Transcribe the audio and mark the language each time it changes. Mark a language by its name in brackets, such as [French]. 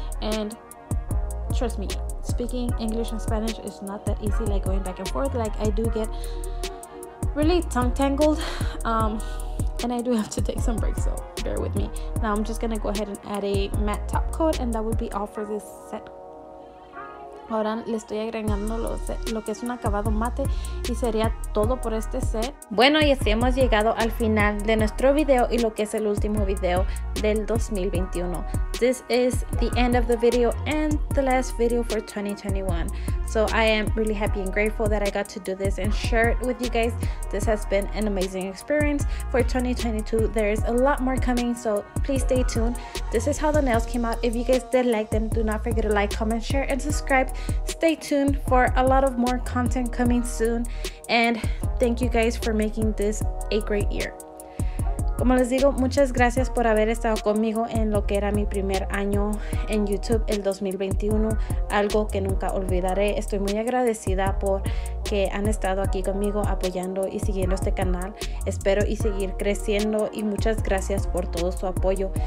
[English] And trust me, speaking English and Spanish is not that easy, like going back and forth. Like, I do get really tongue tangled, and I do have to take some breaks, so bear with me. Now I'm just gonna go ahead and add a matte top coat, and that would be all for this set. [Spanish] Ahora le estoy agregando lo que es un acabado mate, y sería todo por este set. Bueno, y así hemos llegado al final de nuestro video y lo que es el último video del 2021. [English] This is the end of the video and the last video for 2021. So I am really happy and grateful that I got to do this and share it with you guys. This has been an amazing experience. For 2022, there is a lot more coming, so please stay tuned. This is how the nails came out. If you guys did like them, do not forget to like, comment, share, and subscribe. Stay tuned for a lot of more content coming soon. And thank you guys for making this a great year. [Spanish] Como les digo, muchas gracias por haber estado conmigo en lo que era mi primer año en YouTube, el 2021, algo que nunca olvidaré. Estoy muy agradecida por que han estado aquí conmigo apoyando y siguiendo este canal. Espero y seguir creciendo, y muchas gracias por todo su apoyo.